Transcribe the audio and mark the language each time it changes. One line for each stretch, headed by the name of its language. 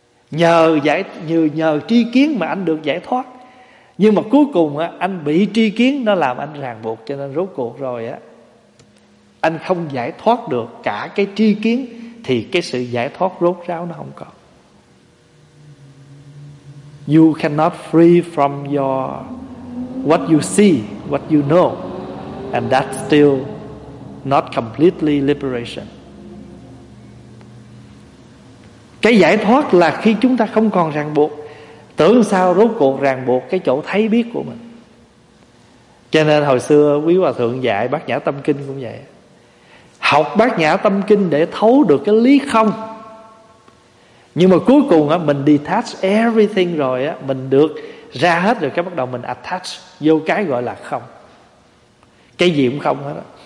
Vietnamese: Nhờ tri kiến mà anh được giải thoát, nhưng mà cuối cùng anh bị tri kiến nó làm anh ràng buộc, cho nên rốt cuộc rồi anh không giải thoát được cả cái tri kiến, thì cái sự giải thoát rốt ráo nó không còn.
English: You cannot free from your what you see, what you know, and that's still not completely liberation.
Vietnamese: Cái giải thoát là khi chúng ta không còn ràng buộc. Tưởng sao rốt cuộc ràng buộc cái chỗ thấy biết của mình. Cho nên hồi xưa quý hòa thượng dạy Bát Nhã Tâm Kinh cũng vậy. Học Bát Nhã Tâm Kinh để thấu được cái lý không, nhưng mà cuối cùng mình
English: detach everything
Vietnamese: rồi, mình được ra hết rồi, cái bắt đầu mình attach vô cái gọi là không. Cái gì cũng không hết.